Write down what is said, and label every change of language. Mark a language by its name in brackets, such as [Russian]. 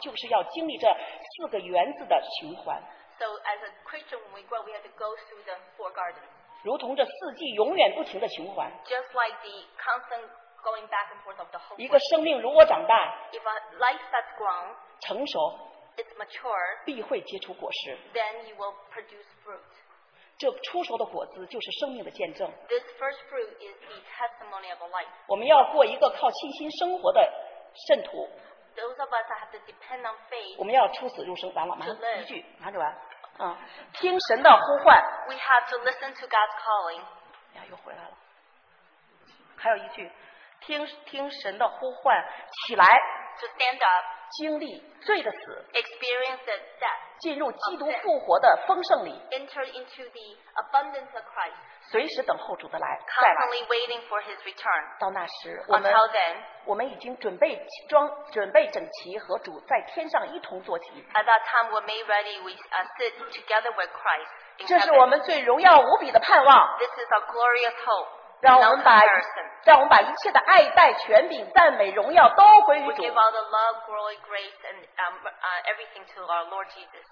[Chinese] 我们基督徒生命的成长就是要经历这四个园子的循环。 [English] So as a Christian, when we grow, we have to go through the four gardens. [Chinese] 如同这四季永远不停的循环。 [English] Just like the constant going back and forth of the whole. [Chinese] 一个生命如果长大， [English] if a life that's grown, [Chinese] 成熟， [English] it's mature, [Chinese] 必会结出果实。 [English] Then you will produce fruit. [Chinese] 这出熟的果子就是生命的见证。 [English] This first fruit is the testimony of a life. [Chinese] 我们要过一个靠信心生活的圣徒。 [English] Those of us that have to depend on faith. [Chinese] 我们要出死入生，完了，马上一句，拿着完。嗯，听神的呼唤。 [English] We have to listen to God's calling. [Chinese] 呀，又回来了。还有一句，听神的呼唤，起来。 [English] To stand up. [Chinese] 经历罪的死。 [English] Experience the death. [Chinese] 进入基督复活的丰盛里。 [English] Enter into the abundance of Christ. [Chinese] 随时等候主的来。 [English] Constantly waiting for His return. [Chinese] 到那时，我们。 [English] Until then. [Chinese] 我们已经准备整齐和主在天上一同坐席。 [English] At that time we're made ready, we sit together with Christ in heaven. [Chinese] 这是我们最荣耀无比的盼望。 [English] This is our glorious hope. [Chinese] 让我们把一切的爱戴、权柄、赞美、荣耀都归于主。 [English] We give all the love, glory, grace, and everything to our Lord Jesus.